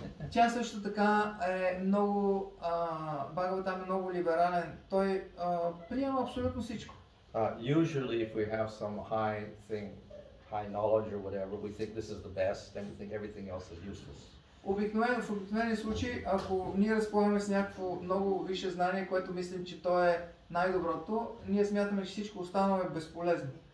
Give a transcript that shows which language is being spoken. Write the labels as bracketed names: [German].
[Bulgarian] Тя също така е много, Бхагаватам е много либерален. Той приема абсолютно всичко. [English] Usually if we have some high thing, high knowledge or whatever, we think this is the best, then we think everything else is useless. [Bulgarian] Обикновено, в обикновени случаи, ако ние разполагаме с някакво много висше знание, което мислим, че то е най-доброто, ние смятаме, че всичко останало е безполезно.